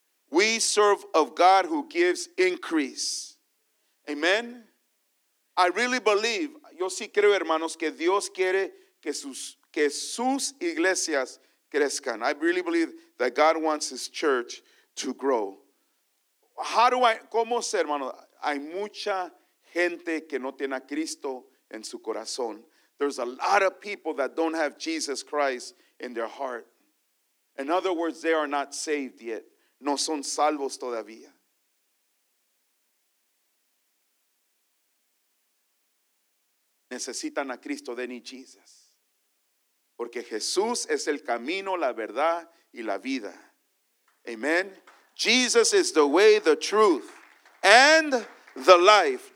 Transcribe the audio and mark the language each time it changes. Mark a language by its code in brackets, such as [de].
[en] We serve a God who gives increase. Amen. I really believe, [es] yo sí creo, hermanos, que Dios quiere que sus iglesias crezcan. [en] I really believe that God wants his church to grow. [es] ¿Cómo sé, hermano? Hay mucha gente que no tiene a Cristo en su corazón. [en] There's a lot of people that don't have Jesus Christ in their heart. In other words, they are not saved yet. [es] No son salvos todavía. Necesitan a Cristo, [en] they need Jesus. [es] Porque Jesús es el camino, la verdad y la vida. Amen. [en] Jesus is the way, the truth, and the life.